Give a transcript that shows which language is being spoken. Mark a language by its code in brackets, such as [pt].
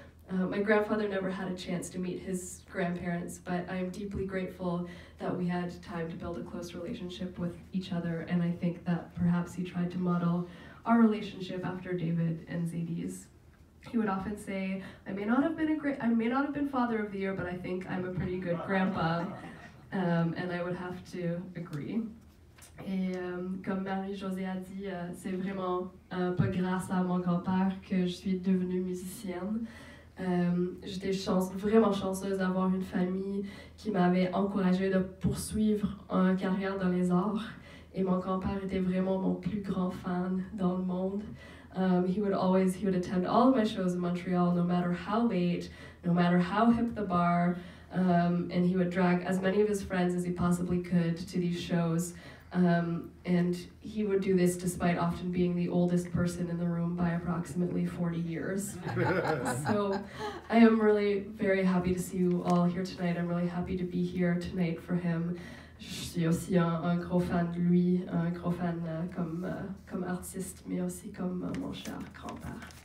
[en] My grandfather never had a chance to meet his grandparents, but I am deeply grateful that we had time to build a close relationship with each other, and I think that perhaps he tried to model our relationship after David and Zadie's. He would often say, I may not have been father of the year, but I think I'm a pretty good grandpa, and I would have to agree. [fr] Et comme Marie-Josée a dit, c'est vraiment pas grâce à mon grand-père que je suis devenue musicienne. J'étais vraiment chanceuse d'avoir une famille qui m'avait encouragée de poursuivre une carrière dans les arts. Et mon grand-père était vraiment mon plus grand fan dans le monde. [en] He would attend all of my shows in Montreal, no matter how late, no matter how hip the bar. And he would drag as many of his friends as he possibly could to these shows. And he would do this despite often being the oldest person in the room by approximately 40 years. So I am really very happy to see you all here tonight. I'm really happy to be here tonight for him. [fr] Je suis aussi un gros fan de lui, un gros fan comme artiste, mais aussi comme mon cher grand-père.